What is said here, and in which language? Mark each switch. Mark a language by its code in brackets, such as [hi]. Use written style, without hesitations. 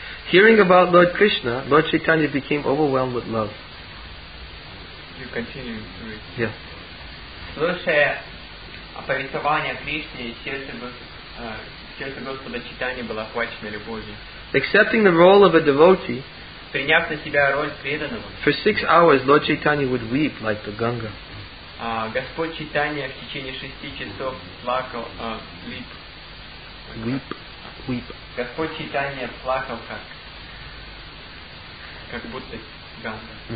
[en] Hearing about Lord Krishna, Lord Chaitanya became overwhelmed with love. You continue. Yeah. [ru] Слушая оповествование о Кришне, сердце Господа Читания было охвачено любовью. [en] Accepting the role of a devotee, [ru] приняв на себя роль преданного, [en] for 6 hours Lord Chaitanya would weep like the Ganga. [ru] Господь Читания в течение 6 часов плакал, [en] weep. Weep. [ru] Господь Читания плакал как будто Ганга.